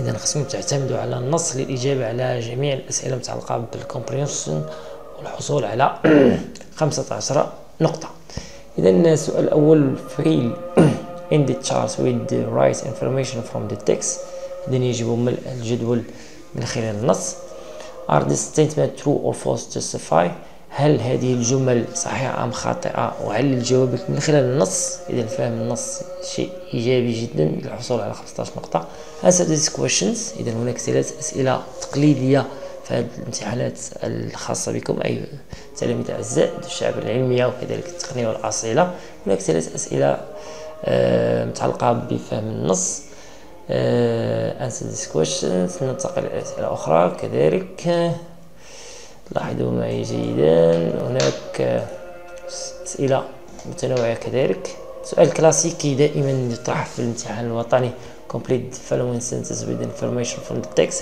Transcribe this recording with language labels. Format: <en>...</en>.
<ar>إذا خصكم تعتمدوا على النص للإجابة على جميع الأسئلة المتعلقة بالcomprehension والحصول على 15 نقطة. إذا السؤال الأول،</ar> <en>fill in the charts with the right information from the text.</en> <ar>إذن يجب ملء الجدول من خلال النص.</ar> <en>Are the statement true or false to justify؟</en> <ar>هل هذه الجمل صحيحة أم خاطئة؟ وعلل جوابك من خلال النص. إذن فهم النص شيء إيجابي جدا للحصول على 15 نقطة.</ar> <en>Answer these questions.</en> <ar>إذن هناك ثلاث أسئلة تقليدية في هذه الامتحانات الخاصة بكم أي تلاميذ أعزاء الشعب العلمية وكذلك التقنية والأصيلة. هناك ثلاث أسئلة متعلقة بفهم النص.</ar> <en>Answer these questions.</en> <ar>ننتقل إلى أسئلة أخرى كذلك. لاحظوا معي جيدا، هناك أسئلة متنوعة كذلك. سؤال كلاسيكي دائما يطرح في الامتحان الوطني،</ar> <en>complete the following sentences with information from the text.</en>